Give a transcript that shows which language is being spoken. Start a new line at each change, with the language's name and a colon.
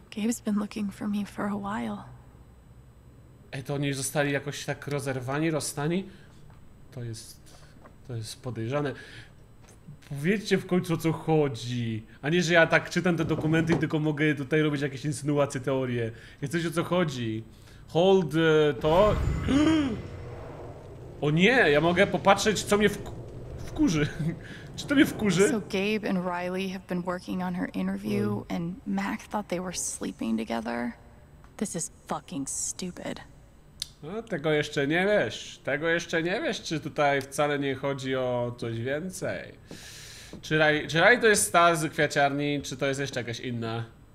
English: Gabe's been looking for me for a while.
Polish: Ej, to oni zostali jakoś tak rozerwani, rozstani? To jest podejrzane. Powiedzcie w końcu, o co chodzi. A nie, że ja tak czytam te dokumenty i tylko mogę tutaj robić jakieś insynuacje, teorie. Jesteś, o co chodzi.
English: Hold to.
Polish: O nie, ja mogę popatrzeć, co mnie wkurzy. Czy to mnie wkurzy?
English: So Gabe and Riley have been working on her interview and Mac thought they were sleeping together. This is fucking stupid.
Polish: No, tego jeszcze nie wiesz. Tego jeszcze nie wiesz, czy tutaj wcale nie chodzi o coś więcej. Czy Rai to jest ta z kwiaciarni, czy to jest jeszcze jakaś inna?